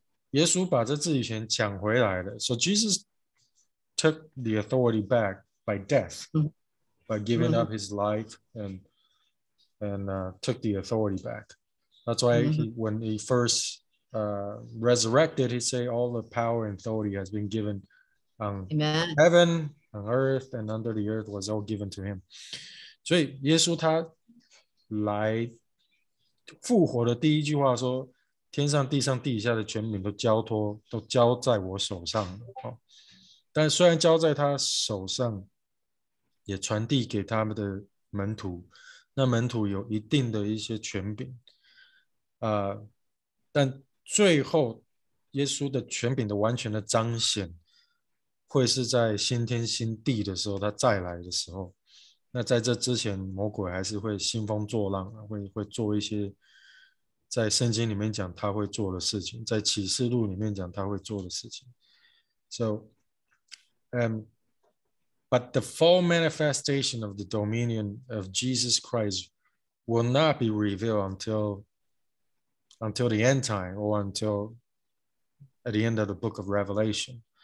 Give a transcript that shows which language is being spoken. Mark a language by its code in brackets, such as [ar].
[zh] 耶稣把这治理权抢回来了。 [en] So Jesus took the authority back by death, by giving up his life and took the authority back. That's why when he first resurrected, he said all the power and authority has been given on heaven, on earth, and under the earth was all given to him. [zh] 所以耶稣他来复活的第一句话说，天上地上地下的权柄都交托，都交在我手上了。但虽然交在他手上，也传递给他们的门徒，那门徒有一定的一些权柄，但最后耶稣的权柄的完全的彰显会是在新天新地的时候，他再来的时候。那在这之前，魔鬼还是会兴风作浪， 会做一些在圣经里面讲他会做的事情，在启示录里面讲他会做的事情。 [en] So but the full manifestation of the dominion of Jesus Christ will not be revealed until the end time or until at the end of the book of Revelation.